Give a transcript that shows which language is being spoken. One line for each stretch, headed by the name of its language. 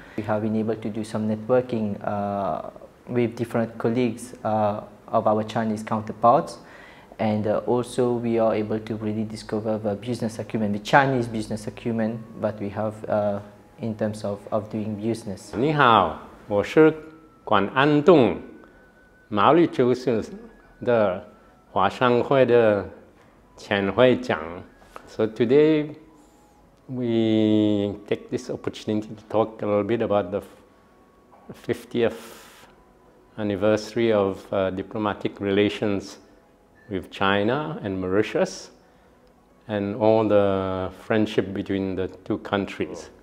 English: We have been able to do some networking with different colleagues of our Chinese counterparts, and also we are able to really discover the business acumen, the Chinese business acumen that we have in terms of doing business.
Chinese: 你好，我是管安东，毛里求斯的华商会的前会长。
English: So today we take this opportunity to talk a little bit about the 50th anniversary of diplomatic relations with China and Mauritius, and all the friendship between the two countries.